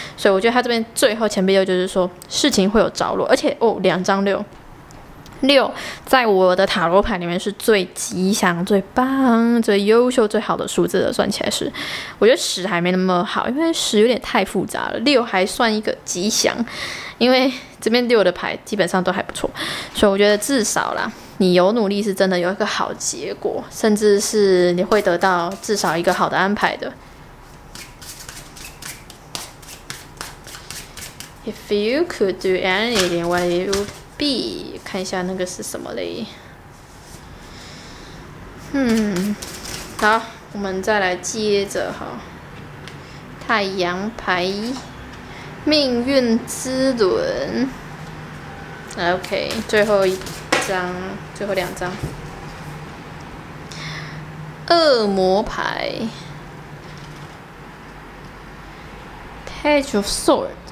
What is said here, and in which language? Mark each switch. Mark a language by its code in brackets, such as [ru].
[zh] 所以我觉得他这边最后前辈就是说事情会有着落，而且哦，两张六，六在我的塔罗牌里面是最吉祥最棒最优秀最好的数字的，算起来是，我觉得十还没那么好，因为十有点太复杂了，六还算一个吉祥，因为这边六的牌基本上都还不错，所以我觉得至少啦，你有努力是真的有一个好结果，甚至是你会得到至少一个好的安排的。 [en] If you could do anything, what it would be? [zh] 看一下那个是什么嘞。好，我们再来接着哈，太阳牌，命运之轮， OK， 最后一张，最后两张，恶魔牌 ，Page of Sword。